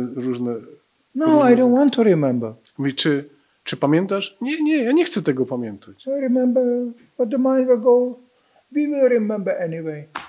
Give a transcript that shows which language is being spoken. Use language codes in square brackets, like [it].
[pl] No, różne. [en] I don't want to remember. [pl] Mówi, czy pamiętasz? Nie, ja nie chcę tego pamiętać. [en] I remember, but the mind will go We will remember anyway.